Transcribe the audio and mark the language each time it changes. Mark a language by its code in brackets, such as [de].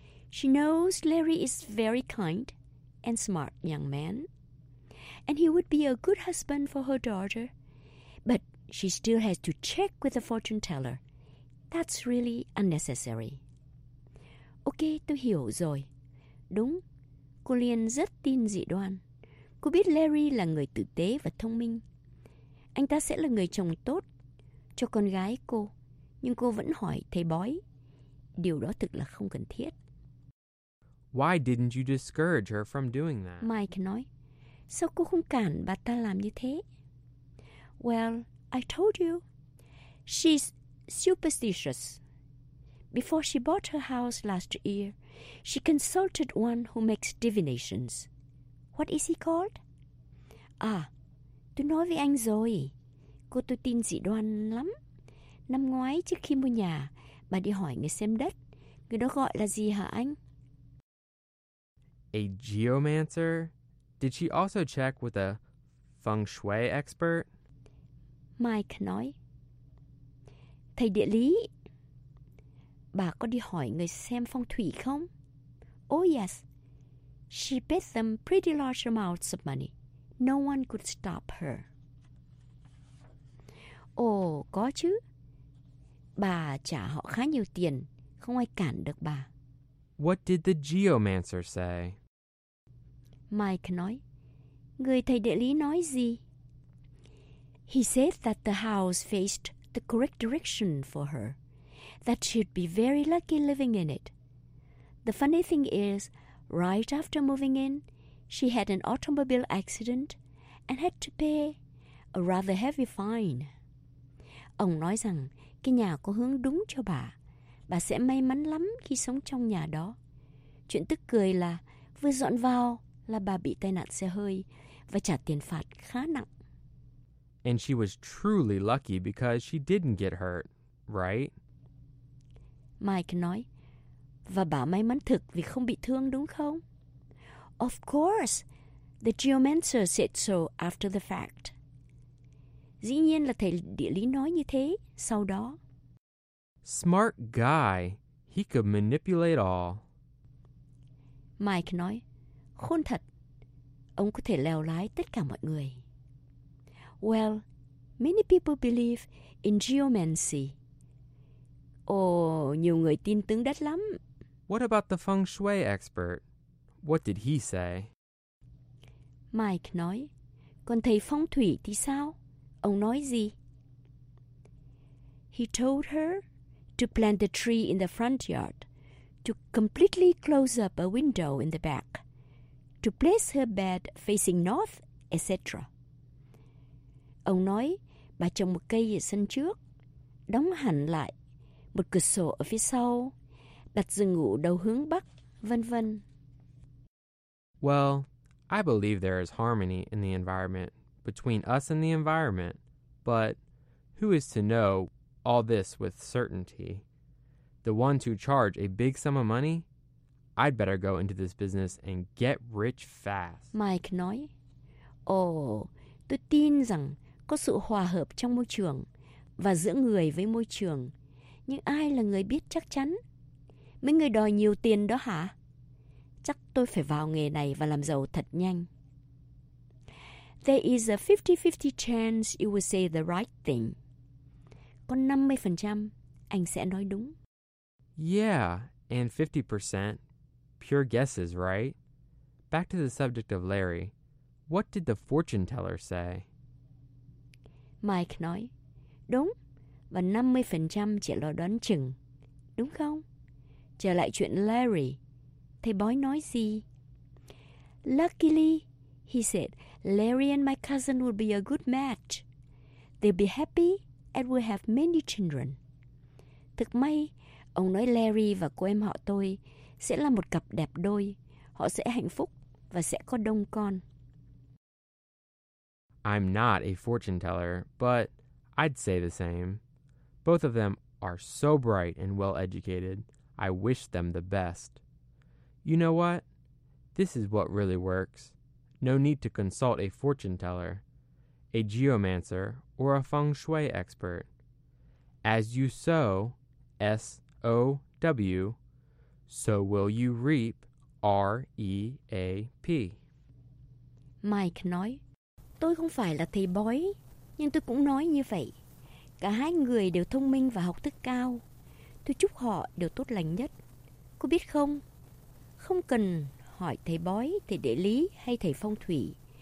[en] She knows Larry is very kind and smart young man, and he would be a good husband for her daughter. But she still has to check with the fortune teller. That's really unnecessary. Ok, [vi] tôi hiểu rồi. Đúng, cô Liên rất tin dị đoan. Cô biết Larry là người tử tế và thông minh. Anh ta sẽ là người chồng tốt cho con gái cô. Nhưng cô vẫn hỏi thầy bói. Điều đó thực là không cần thiết. [en] Why didn't you discourage her from doing that? [vi] Mike nói, sao cô không cản bà ta làm như thế? [en] Well, I told you, she's superstitious. Before she bought her house last year, she consulted one who makes divinations. What is he called? [vi] À, tôi nói với anh rồi. Cô tôi tin dị đoan lắm. Năm ngoái trước khi mua nhà, bà đi hỏi người xem đất. Người đó gọi là gì hả anh? [en] A geomancer? Did she also check with a feng shui expert? [vi] Mike nói, thầy địa lý, bà có đi hỏi người xem phong thủy không? [en] Oh yes, she paid them pretty large amounts of money. No one could stop her. [vi] Oh, có chứ. Bà trả họ khá nhiều tiền, không ai cản được bà. [en] What did the geomancer say? [vi] Mike nói, người thầy địa lý nói gì? [en] He said that the house faced the correct direction for her, that she'd be very lucky living in it. The funny thing is, right after moving in, she had an automobile accident and had to pay a rather heavy fine. [vi] Ông nói rằng cái nhà có hướng đúng cho bà. Bà sẽ may mắn lắm khi sống trong nhà đó. Chuyện tức cười là vừa dọn vào là bà bị tai nạn xe hơi và trả tiền phạt khá nặng. [en] And she was truly lucky because she didn't get hurt, right? [vi] Mike nói, và bà may mắn thực vì không bị thương đúng không? [en] Of course, the geomancer said so after the fact. [vi] Dĩ nhiên là thầy địa lý nói như thế sau đó. [en] Smart guy, he could manipulate all. [vi] Mike nói, khôn thật, ông có thể lèo lái tất cả mọi người. [en] Well, many people believe in geomancy. [vi] Oh, nhiều người tin tướng đất lắm. [en] What about the feng shui expert? What did he say? [vi] Mike nói, còn thầy phong thủy thì sao? Ông nói gì? [en] He told her to plant the tree in the front yard, to completely close up a window in the back, to place her bed facing north, etc. [vi] Ông nói, bà trồng một cây ở sân trước, đóng hẳn lại một cửa sổ ở phía sau, đặt giường ngủ đầu hướng bắc, vân vân. [en] Well, I believe there is harmony in the environment, between us and the environment, but who is to know all this with certainty? The ones who charge a big sum of money? I'd better go into this business and get rich fast. [vi] Mike nói, tôi tin rằng có sự hòa hợp trong môi trường và giữa người với môi trường. Nhưng ai là người biết chắc chắn? Mấy người đòi nhiều tiền đó hả? chắc tôi phải vào nghề này và làm giàu thật nhanh. [en] There is a 50-50 chance you will say the right thing. [vi] Có 50% anh sẽ nói đúng. [en] Yeah, and 50% pure guesses, right? Back to the subject of Larry. What did the fortune teller say? [vi] Mike nói, đúng, và 50% chỉ là đoán chừng, đúng không? Trở lại chuyện Larry, thầy bói nói gì? [en] Luckily, he said, Larry and my cousin will be a good match. They'll be happy and will have many children. [vi] Thật may, ông nói Larry và cô em họ tôi sẽ là một cặp đẹp đôi. Họ sẽ hạnh phúc và sẽ có đông con. [en] I'm not a fortune teller, but I'd say the same. Both of them are so bright and well-educated. I wish them the best. You know what? This is what really works. No need to consult a fortune teller, a geomancer, or a feng shui expert. As you sow, S-O-W, so will you reap, R-E-A-P. [vi] Mike nói, tôi không phải là thầy bói, nhưng tôi cũng nói như vậy. Cả hai người đều thông minh và học thức cao. Tôi chúc họ đều tốt lành nhất. Cô biết không? Không cần hỏi thầy bói, thầy địa lý hay thầy phong thủy.